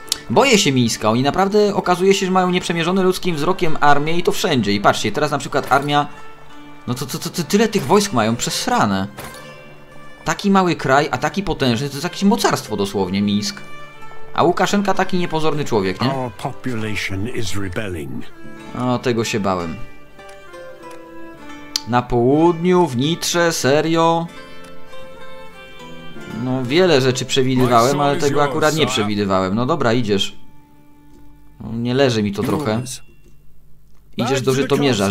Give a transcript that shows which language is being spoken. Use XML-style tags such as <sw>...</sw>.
<pl>Boję się Mińska, oni naprawdę okazuje się, że mają nieprzemierzone ludzkim wzrokiem armię i to wszędzie. I patrzcie, teraz na przykład armia... No to tyle tych wojsk mają, przesrane. Taki mały kraj, a taki potężny, to jest jakieś mocarstwo dosłownie, Mińsk. A Łukaszenka taki niepozorny człowiek, nie?</pl> <en>Our population is rebelling.</en> <pl>O, tego się bałem. Na południu, w Nitrze, serio? No, wiele rzeczy przewidywałem, ale tego akurat nie przewidywałem. No dobra, idziesz. Nie leży mi to trochę. Idziesz do Żytomierza.</pl>